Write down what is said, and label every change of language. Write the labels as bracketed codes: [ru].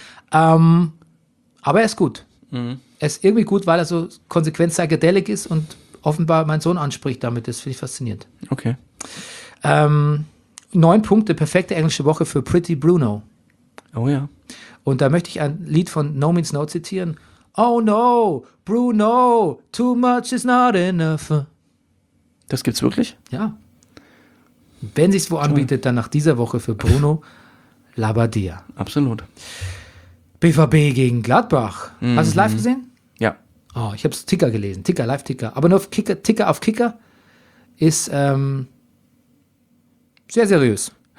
[de] Aber er ist gut. Er ist irgendwie gut, weil er so konsequent psychedelic ist und offenbar mein Sohn anspricht damit. Das finde ich faszinierend. Okay. 9 Punkte, perfekte englische Woche für Pretty Bruno. Oh ja. Und da möchte ich ein Lied von No Means No zitieren. [en] Oh no, Bruno, too much is not enough. [de] Das gibt's wirklich? Ja. Wenn sich's wo anbietet, dann nach dieser Woche für Bruno Labbadia. Absolut. BVB gegen Gladbach. Mhm. Hast du es live gesehen? Ja. Oh, ich habe es Ticker gelesen. Ticker, Live-Ticker. Aber nur auf Kicker, Ticker auf Kicker ist sehr seriös.